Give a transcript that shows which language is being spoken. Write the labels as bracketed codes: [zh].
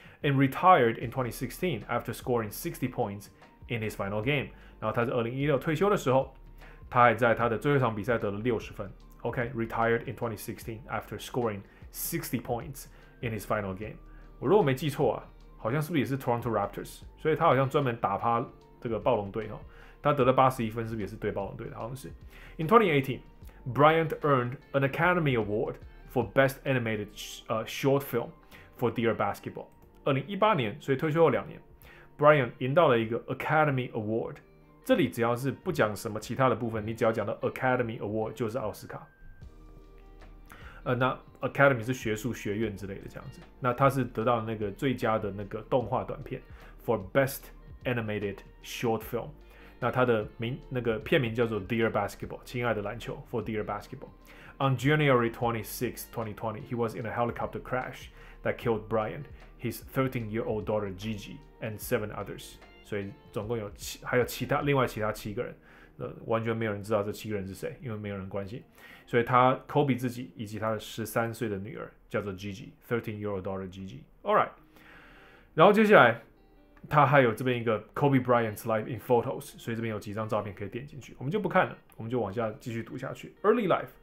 [en] And retired in 2016 after scoring 60 points in his final game. [zh] 然后他是2016退休的时候，他还在他的最后一场比赛得了60分。 [en] OK, retired in 2016 after scoring 60 points in his final game. [zh] 我如果没记错啊，好像是不是也是 Toronto Raptors? 所以他好像专门打趴这个暴龙队哦。他得了81分，是不是也是对暴龙队的？好像是。 [en] In 2018, Bryant earned an Academy Award for Best Animated Short Film for Dear Basketball. [zh] 2018年，所以退休后两年 ，Bryant 赢到了一个 Academy Award。这里只要是不讲什么其他的部分，你只要讲到 Academy Award 就是奥斯卡。那 Academy 是学术学院之类的这样子。那他是得到那个最佳的那个动画短片 [en] for Best animated short film。 [zh] 那它的名那个片名叫做 Dear Basketball， 亲爱的篮球 ，For Dear Basketball。 [en] On January 26, 2020, he was in a helicopter crash that killed Brian, his 13-year-old daughter Gigi, and 7 others. [zh] 所以总共有七，还有其他另外其他七个人，完全没有人知道这七个人是谁，因为没有人关心。所以他 Kobe 自己以及他的13岁的女儿叫做 Gigi， [en] 13-year-old daughter Gigi. All right. [zh] 然后接下来他还有这边一个 [en] Kobe Bryant's life in photos， [zh] 所以这边有几张照片可以点进去，我们就不看了，我们就往下继续读下去。Early life。